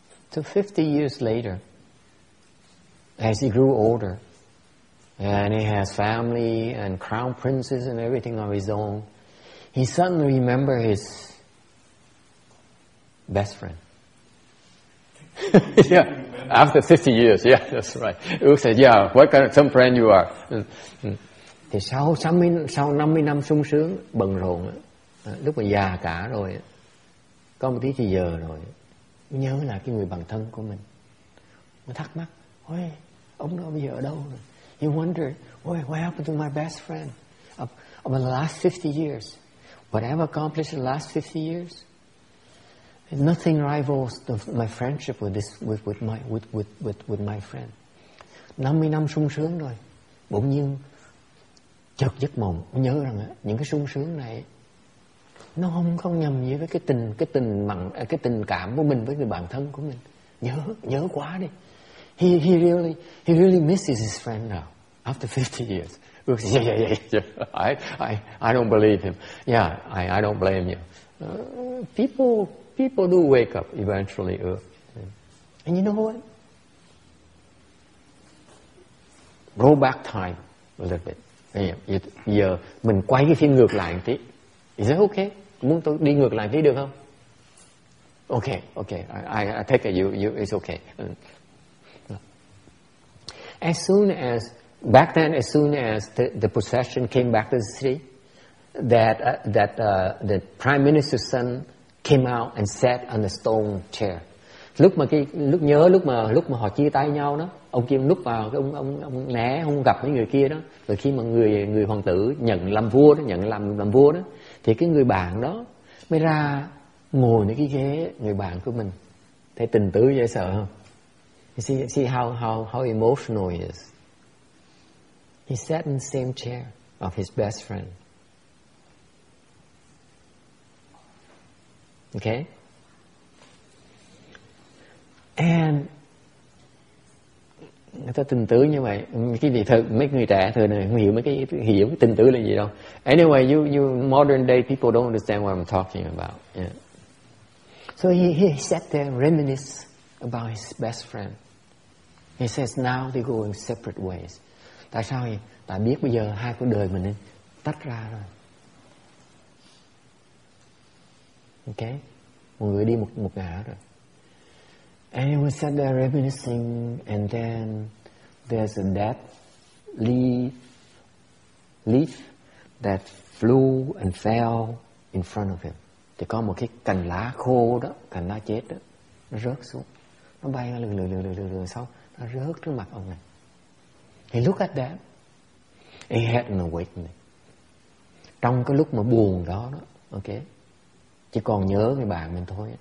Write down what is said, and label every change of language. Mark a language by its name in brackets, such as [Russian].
[English] So 50 years later, as he grew older, and he has family and crown princes and everything of his own, he suddenly remembered his best friend. Yeah, after 50 years, yeah, that's right. He said, yeah, what kind of some friend you are. [Vietnamese] Thì sau 50 năm sung sướng, bận rộn, lúc mà già cả rồi, có một tí thì giờ rồi, nhớ là cái người bạn thân của mình. Nó thắc mắc, ôi, ông đó bây giờ ở đâu rồi? [English] He wondered, ôi, what happened to my best friend of the last 50 years? What I've accomplished in the last 50 years? Nothing rivals my friendship with my friend. [Vietnamese] 50 năm sung sướng rồi, bỗng nhiên chợt giấc mộng, nhớ rằng những cái sung sướng này nó không nhầm gì với cái tình cảm của mình với người bạn thân của mình. Nhớ quá đi. [English] He really misses his friend now after 50 years. Oops, yeah. I don't believe him. Yeah, I don't blame you. People do wake up eventually. And you know what? Roll back time a little bit. [Vietnamese] Giờ mình quay cái phim ngược lại một tí. [English] Is that okay? [Vietnamese] Muốn tôi đi ngược lại tí được không? [English] Okay. I take it. You it's okay. As soon as the procession came back to the city, the prime minister's son came out and sat on the stone chair. [Vietnamese] Lúc mà họ chia tay nhau đó, ông kia lúc vào cái ông né không gặp mấy người kia đó. Rồi khi mà người hoàng tử nhận làm vua đó, thì cái người bạn đó mới ra ngồi nơi cái ghế người bạn của mình. Thấy tình tứ dễ sợ không? [English] See how emotional he is. He sat in the same chair of his best friend. Okay? [Vietnamese] And người ta tình tứ như vậy, cái gì thật, mấy người trẻ thời này không hiểu mấy cái hiểu cái tình tứ là gì đâu. [English] Anyway, you modern day people don't understand what I'm talking about. Yeah. So he sat there reminisce about his best friend. He says now they go in separate ways. [Vietnamese] Tại sao? Tại biết bây giờ hai con đời mình tách ra rồi. Okay, một người đi một ngã rồi. [English] And he was sat there reminiscing, and then there's a dead leaf that flew and fell in front of him. [Vietnamese] Thì có một cái cành lá khô đó, cành lá chết đó, nó rớt xuống. Nó bay ra lường xong, nó rớt trước mặt ông này. [English] He looked at that. He had an awakening. [Vietnamese] Trong cái lúc mà buồn đó, đó, ok, chỉ còn nhớ người bạn mình thôi.